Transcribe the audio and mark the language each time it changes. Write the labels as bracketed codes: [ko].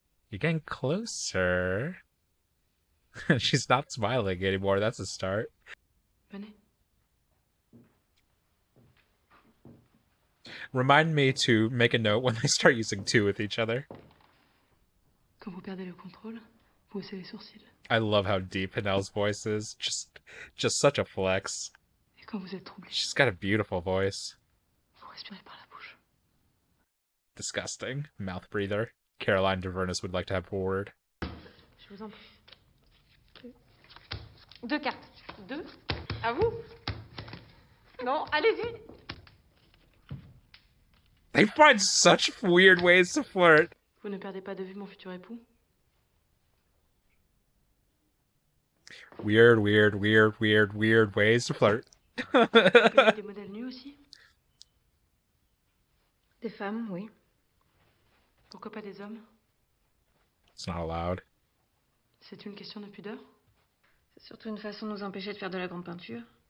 [en] You're getting closer. She's not smiling anymore. That's a start. [fr] Venez. [en] Remind me to make a note when they start using two with each other. [fr] Quand vous perdez le contrôle, vous haussez les sourcils. [en] I love how deep Hanel's voice is. Just such a flex. [fr] Et quand vous êtes troublé, [en] She's got a beautiful voice. [fr] vous respirez par la bouche. [en] Disgusting. Mouth breather. Caroline DeVernis would like to have a word. [fr] Je vous en prie. Deux cartes. Deux. À vous. Non, allez-y. [en] They find such weird ways to flirt. [fr] Vous ne perdez pas de vue mon futur époux. [en] Weird, weird, weird, weird, weird ways to flirt. [fr] Vous connaissez des modèles nus aussi? Des femmes, oui. Pourquoi pas des hommes? [en] It's not allowed. [fr] C'est une question de pudeur? C'est surtout une façon de nous empêcher de faire de la grande peinture.